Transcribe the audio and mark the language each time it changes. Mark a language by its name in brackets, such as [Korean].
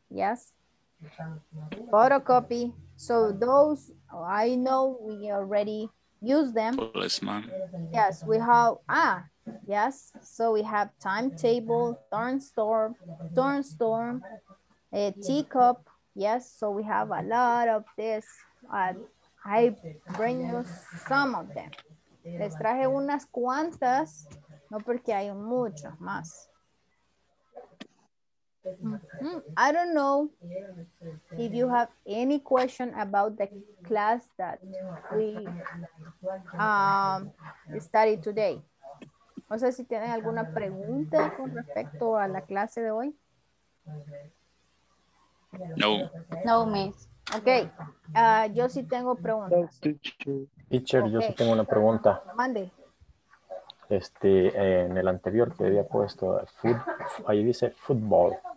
[English] Yes, photocopy. So those, I know we already use them. Policeman. Yes, we have yes. So we have timetable, thunderstorm, a teacup, Yes, so we have a lot of this. I bring you some of them. [Spanish] Les traje unas cuantas, no porque hay muchos más. [English] I don't know if you have any question about the class that we studied today. [Spanish] No sé si tienen alguna pregunta con respecto a la clase de hoy. No. [English] No, miss. Okay. [Spanish] Yo sí tengo preguntas. [English] Teacher, okay. [Spanish] Yo sí tengo una pregunta. Mande. En el anterior te había puesto food, ahí dice fútbol.